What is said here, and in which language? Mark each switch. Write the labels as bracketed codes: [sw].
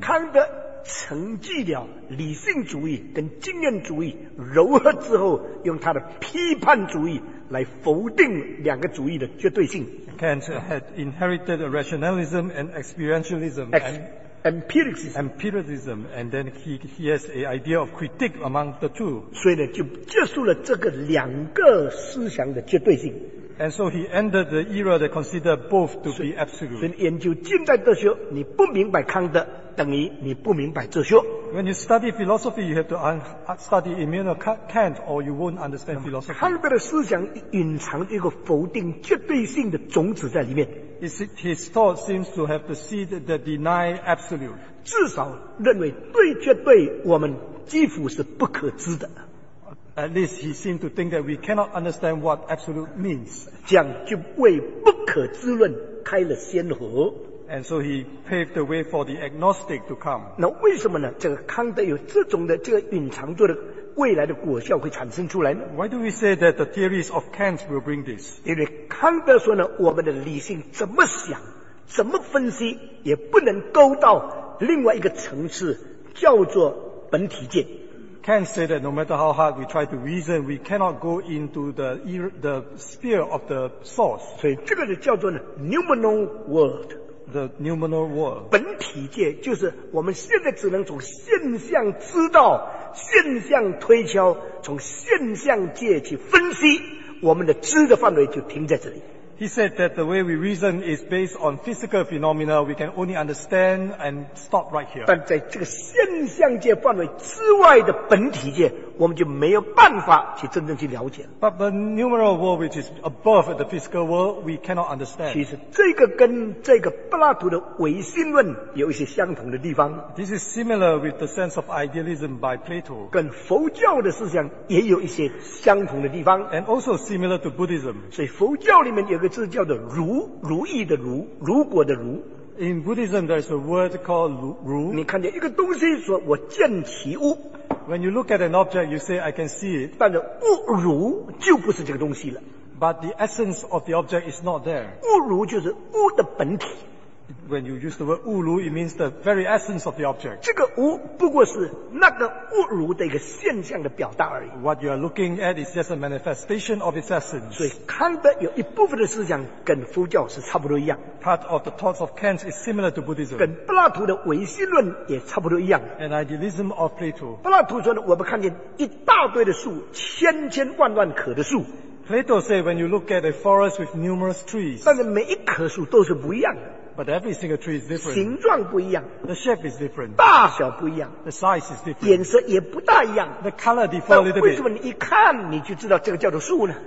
[zh] 康德承继了理性主义跟经验主义柔合之后，用他的批判主义来否定两个主义的绝对性。 [en] Kant had inherited a rationalism and experientialism. Empiricism, and then he has an idea of critique among the two. [zh] 所以呢，就结束了这个两个思想的绝对性。 [en] And so he ended the era that considered both to be absolute. [zh] 所以研究近代哲学，你不明白康德，等于你不明白哲学。 [en] When you study philosophy, you have to study Immanuel Kant, or you won't understand philosophy. [zh] 康德的思想隐藏一个否定绝对性的种子在里面。 [en] His thought seems to have the seed that deny absolute. [zh] 至少认为对绝对，我们几乎是不可知的。 [en] At least he seemed to think that we cannot understand what absolute means. [zh] 这样就为不可知论开了先河。 [en] And so he paved the way for the agnostic to come. [zh] 那为什么呢？这个康德有这种的这个隐藏着的未来的果效会产生出来呢？ [en] Why do we say that the theories of Kant will bring this? [zh] 因为康德说呢，我们的理性怎么想、怎么分析，也不能够到另外一个层次，叫做本体界。 [en] Kant said that no matter how hard we try to reason, we cannot go into the sphere of the source. [zh] 所以这个就叫做呢 noumenal world. [en] The noumenal world. [zh] 本体界就是我们现在只能从现象知道，现象推敲，从现象界去分析，我们的知的范围就停在这里。 [en] He said that the way we reason is based on physical phenomena, we can only understand and stop right here. [zh] 但在这个现象界范围之外的本体界，我们就没有办法去真正去了解。 [en] But the numeral world, which is above the physical world, we cannot understand. [zh] 其实这个跟这个柏拉图的唯心论有一些相同的地方。 [en] This is similar with the sense of idealism by Plato. [zh] 跟佛教的思想也有一些相同的地方。 [en] And also similar to Buddhism. [zh] 所以佛教里面有一个字叫做如，如意的如，如果的如。 [en] In Buddhism, there is a word called 如。 [zh] 你看见一个东西，说我见其物。 [en] When you look at an object, you say, I can see it. [zh] 但是物如就不是这个东西了。 [en] But the essence of the object is not there. [zh] 物如就是物的本体。 [en] when you use the word 物如, it means the very essence of the object. [zh] 这个无不过是那个物如的一个现象的表达而已。 [en] What you are looking at is just a manifestation of its essence. [zh] 所以康德有一部分的思想跟佛教是差不多一样。 [en] Part of the thoughts of Kant is similar to Buddhism. [zh] 跟柏拉图的唯心论也差不多一样。 [en] An idealism of Plato. [zh] 柏拉图说的，我们看见一大堆的树，千千万万棵的树。 [en] Plato said, when you look at a forest with numerous trees, [zh] 但是每一棵树都是不一样的。 [en] But every single tree is different. [zh] 形状不一样。 [en] The shape is different. [zh] 大小不一样。 [en] The size is different. [zh] 颜色也不大一样。 [en] The color differs a little bit. [zh] 但为什么你一看你就知道这个叫做树呢？